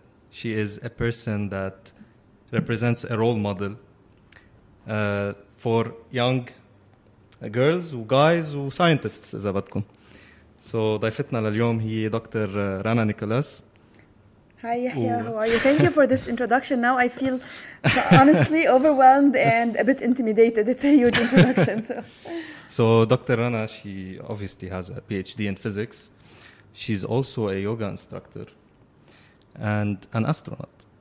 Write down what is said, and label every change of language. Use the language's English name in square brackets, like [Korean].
[English] She is a person that represents a role model for young girls, guys, and scientists, [Arabic] إذا بدكم. So, ضيفتنا لليوم هي دكتور رانا نيكولاس. [English] Hi, Yahya. How are you? Thank you for this introduction. Now I feel honestly overwhelmed and a bit intimidated. It's a huge introduction. So Dr. Rana, she obviously has a PhD in physics. She's also a yoga instructor and an astronaut.